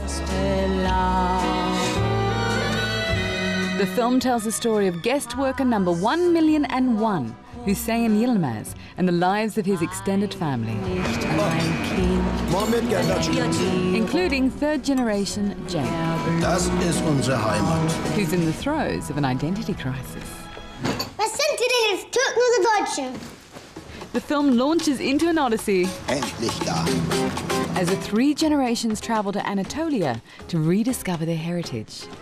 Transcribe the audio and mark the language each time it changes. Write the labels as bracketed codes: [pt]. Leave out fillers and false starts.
[en] The film tells the story of guest worker number 1,000,001, Hüseyin Yilmaz, and the lives of his extended family, including third-generation Cenk. [de] Das ist unsere Heimat. [en] Who's in the throes of an identity crisis. [de] Was sind die denn jetzt, Türken oder Deutsche? [en] The film launches into an odyssey. [de] Endlich da. [en] As the three generations travel to Anatolia to rediscover their heritage.